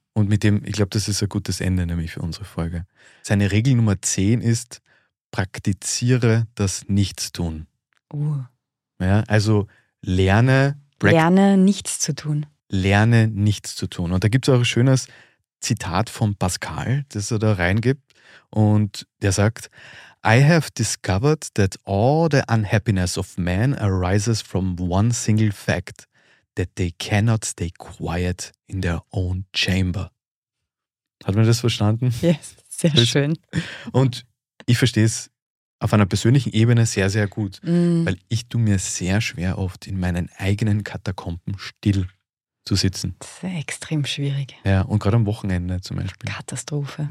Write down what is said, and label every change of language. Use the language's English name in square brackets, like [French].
[German] Und mit dem, ich glaube, das ist ein gutes Ende nämlich für unsere Folge. Seine Regel Nummer 10 ist, praktiziere das Nichtstun. Ja, also lerne nichts zu tun. Lerne nichts zu tun. Und da gibt es auch ein schönes Zitat von Pascal, das er da reingibt. Und der sagt, [English] I have discovered that all the unhappiness of man arises from one single fact, that they cannot stay quiet in their own chamber. [German] Hat man das verstanden? Yes, sehr schön. Und ich verstehe es auf einer persönlichen Ebene sehr, sehr gut, weil ich tue mir sehr schwer oft in meinen eigenen Katakomben still zu sitzen. Das ist extrem schwierig. Ja, und gerade am Wochenende zum Beispiel. Katastrophe.